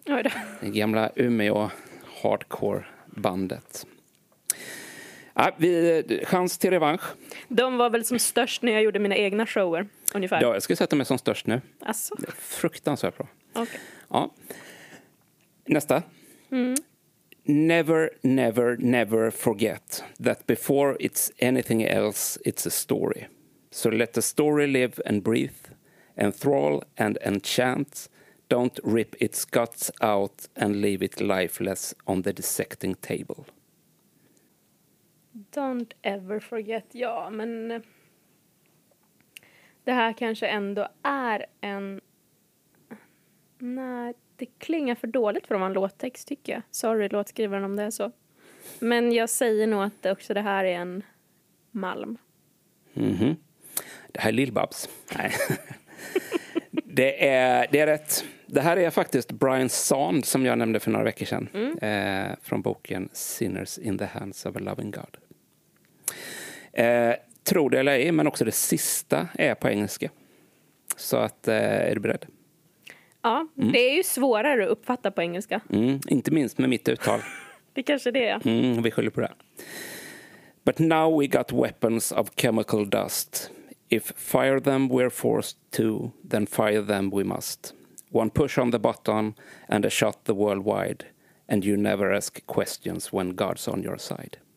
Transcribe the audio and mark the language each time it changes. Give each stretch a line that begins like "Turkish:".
Swedish: Oj då. Det gamla Umeå hardcore-bandet. Chans till revansch. De var väl som störst när jag gjorde mina egna shower, ungefär. Ja, jag skulle säga att de är som störst nu. Asså. Det är fruktansvärt bra. Okay. Ja. Nästa. Mm.
English: Never, never, never forget that before it's anything else, it's a story. So let the story live and breathe, enthrall and enchant. Don't rip its guts out and leave it lifeless on the dissecting table. Don't ever forget,
Swedish: ja, men det här kanske ändå är en... Nej, det klingar för dåligt för att vara en låttext, tycker jag. Sorry, låtskrivaren, om det är så. Men jag säger nog att också det här är en malm. Mm-hmm. Det här är Lill-Babs. Nej. Det är rätt. Det här är faktiskt Brian Sand, som jag nämnde för några veckor sedan. Mm. Från boken Sinners in the Hands of a Loving God. Tro det eller ej, men också det sista är på engelska. Så att, är du beredd? Ja, det är ju svårare att uppfatta på engelska. Mm, inte minst med mitt uttal. Det kanske det är. Mm, vi skyller på det.
English: But now we got weapons of chemical dust. If fire them we're forced to, then fire them we must. One push on the button and a shot the world wide. And you never ask questions when God's on your side.